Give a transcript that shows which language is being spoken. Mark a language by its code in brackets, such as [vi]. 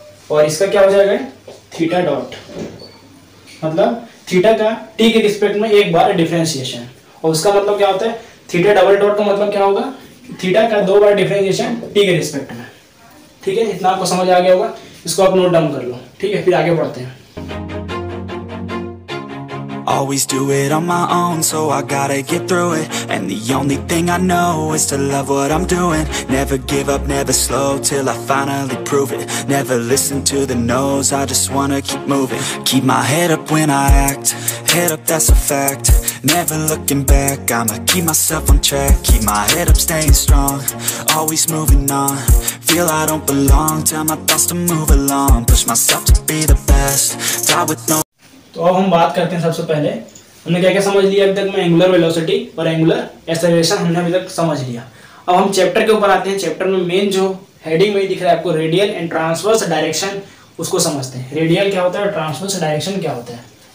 [hi] और इसका क्या हो जाएगा, थीटा डॉट, मतलब थीटा का टी के रिस्पेक्ट में एक बार डिफ्रेंशिएशन, और उसका मतलब क्या होता है, थीटा डबल डॉट का मतलब क्या होगा, थीटा का दो बार डिफ्रेंशिएशन टी के रिस्पेक्ट में। ठीक है, इतना आपको समझ आ गया होगा, इसको आप नोट डाउन कर लो। ठीक है, फिर आगे बढ़ते हैं। [en] Always do it on my own, so I gotta get through it. And the only thing I know is to love what I'm doing. Never give up, never slow, till I finally prove it. Never listen to the no's, I just wanna keep moving. Keep my head up when I act, head up, that's a fact. Never looking back, I'ma keep myself on track. Keep my head up, staying strong, always moving on. Feel I don't belong, tell my thoughts to move along. Push myself to be the best, die with no... [hi] तो अब हम बात करते हैं। सबसे पहले हमने क्या क्या समझ लिया अभी तक में, एंगुलर वेलोसिटी और एंगुलर एक्सेलरेशन हमने अभी तक समझ लिया। अब हम चैप्टर के ऊपर आते हैं। चैप्टर में मेन जो हेडिंग में दिख रहा है आपको, रेडियल एंड ट्रांसवर्स डायरेक्शन, उसको समझते हैं। रेडियल क्या होता है और ट्रांसवर्स डायरेक्शन क्या होता है।